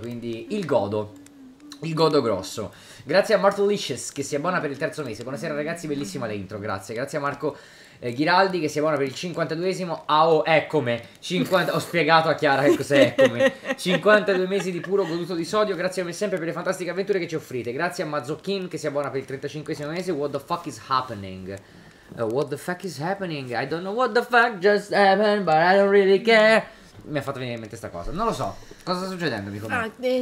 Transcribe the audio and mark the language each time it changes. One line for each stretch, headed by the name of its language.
Italian: Quindi il godo grosso. Grazie a Martolicious che si abbona per il terzo mese. Buonasera ragazzi, bellissima l'intro, grazie. Grazie a Marco Ghiraldi che si abbona per il 52esimo AO, eccome 50, ho spiegato a Chiara che cos'è eccome, 52 mesi di puro goduto di sodio, grazie come sempre per le fantastiche avventure che ci offrite, grazie a Mazzocchin che si abbona per il 35esimo mese,
English: what the fuck is happening? What the fuck is happening? I don't know what the fuck just happened, but I don't really care.
Italian: Mi ha fatto venire in mente sta cosa. Non lo so. Cosa sta succedendo, amico mio?